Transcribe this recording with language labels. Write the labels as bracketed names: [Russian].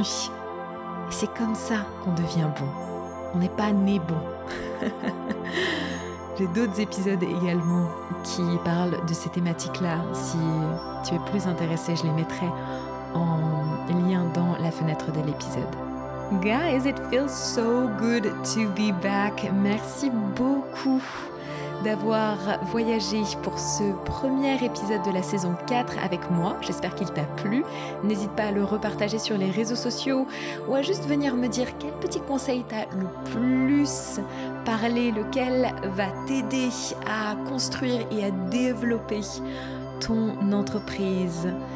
[French] Et c'est comme ça qu'on devient bon. On n'est pas né bon. J'ai d'autres épisodes également qui parlent de ces thématiques-là. Si tu es plus intéressé, je les mettrai en lien dans la fenêtre de l'épisode. [English] Guys, it feels so good to be back. [French] Merci beaucoup d'avoir voyagé pour ce premier épisode de la saison 4 avec moi. J'espère qu'il t'a plu. N'hésite pas à le repartager sur les réseaux sociaux ou à juste venir me dire quel petit conseil t'a le plus parlé, lequel va t'aider à construire et à développer ton entreprise.